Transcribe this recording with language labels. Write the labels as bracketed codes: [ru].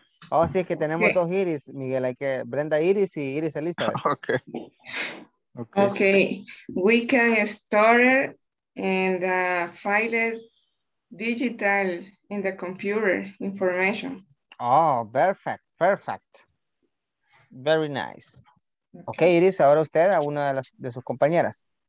[es] Oh, sí, es que tenemos dos Iris, Miguel. Hay que Brenda Iris y Iris Elizabeth. [en] Okay. Okay. Okay. We can store it and file it digital in the computer information. Oh, perfect. Perfect. Very nice. [es] Okay, Iris, ahora usted a una de sus compañeras.